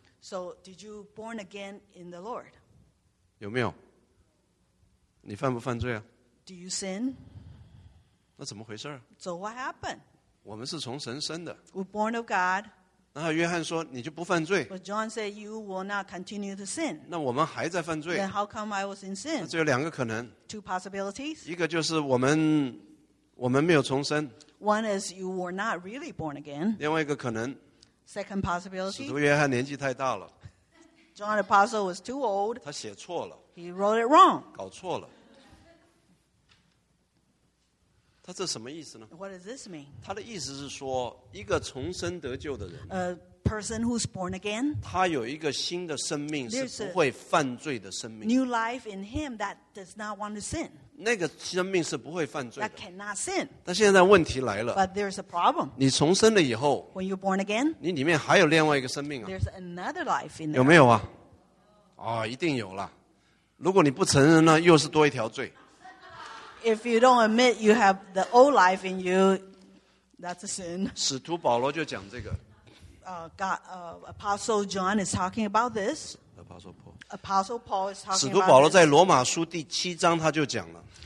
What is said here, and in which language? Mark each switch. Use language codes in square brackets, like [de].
[en] So did you born again in the Lord? [zh] 有没有？你犯不犯罪啊？ [en] Do you sin? [zh] 那怎么回事？ [en] So what happened? [zh] 我们是从神生的。 [en] We're born of God. [zh] 然后约翰说：“你就不犯罪。” [en] But John said, "You will not continue to sin." [zh] 那我们还在犯罪。 [en] Then how come I was in sin? [zh] 只有两个可能。 [en] Two possibilities. [zh] 一个就是我们没有重生。 [en] One is you were not really born again. [zh] 另外一个可能。 [en] Second possibility. [zh] 使徒约翰年纪太大了。 [en] John the apostle was too old. [zh] 他写错了。 [en] He wrote it wrong. [zh] 搞错了。他这什么意思呢？ [en] What does this mean? [zh] 他的意思是说，一个重生得救的人。 [en] person who's born again. [zh] 他有一个新的生命，是不会犯罪的生命。 [en] New life in him that does not want to sin. [zh] 那个生命是不会犯罪的。 [en] That cannot sin. [zh] 但现在问题来了。 [en] But there's a problem. [zh] 你重生了以后, [en] when you're born again, [zh] 你里面还有另外一个生命啊。 [en] There's another life in there. [zh] 有没有啊? 哦, 一定有了。如果你不承认呢，又是多一条罪。 [en] If you don't admit you have the old life in you, that's a sin. [zh] 使徒保罗就讲这个。 [en] Apostle John is talking about this. Apostle Paul. Apostle Paul is talking about this. [zh] 使徒保罗在罗马书第七章他就讲了。